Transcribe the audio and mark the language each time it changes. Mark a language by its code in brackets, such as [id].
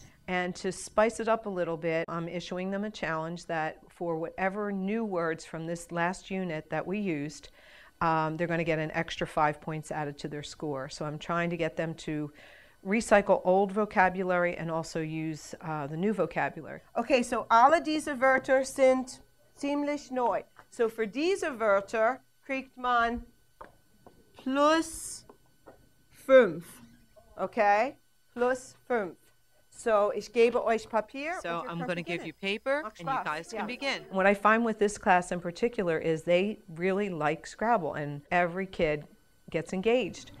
[en] And to spice it up a little bit, I'm issuing them a challenge that for whatever new words from this last unit that we used, they're going to get an extra 5 points added to their score. So I'm trying to get them to recycle old vocabulary and also use the new vocabulary. [de] Okay, so alle diese Wörter sind ziemlich neu. So for diese Wörter kriegt man plus fünf, okay? Plus fünf. So, ich gebe euch Papier. [en] So, I'm going to give you paper, and you guys can begin. What I find with this class in particular is they really like Scrabble, and every kid gets engaged.